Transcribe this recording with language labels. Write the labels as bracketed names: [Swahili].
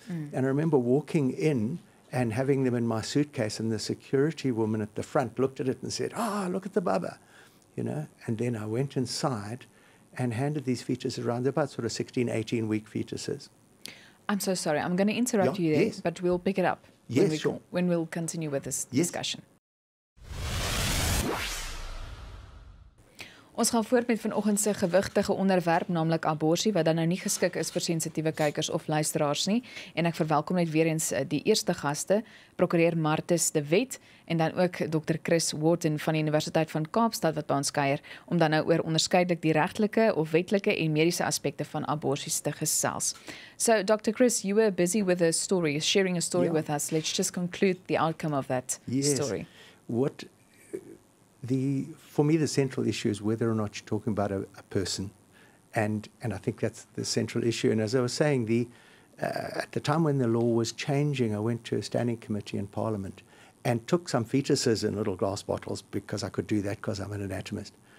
[English] And I remember walking in and having them in my suitcase, and the security woman at the front looked at it and said, "Ah, look at the bubba," you know? And then I went inside and handed these fetuses around. They're about sort of 16, 18 week fetuses. I'm so sorry, I'm gonna interrupt you there, but we'll pick it up when we'll continue with this discussion. [Afrikaans] Ons gaan voort met vanoggend se gewigtige onderwerp, naamlik aborsie, wat dan nou nie geskik is vir sensitiewe kykers of luisteraars nie. En ek verwelkom net weer eens die eerste gaste, Prokureur Martus de Wet en dan ook Dr. Chris Warton van die Universiteit van Kaapstad wat by ons kuier, om dan nou oor onderskeidelik die regtelike of wetlike en mediese aspekte van aborsies te gesels. [English] So, Dr. Chris, you were busy with a story, sharing a story with us. Let's just conclude the outcome of that story. For me, the central issue is whether or not you're talking about a person, and I think that's the central issue. And as I was saying, at the time when the law was changing, I went to a standing committee in Parliament and took some fetuses in little glass bottles because I could do that because I'm an anatomist.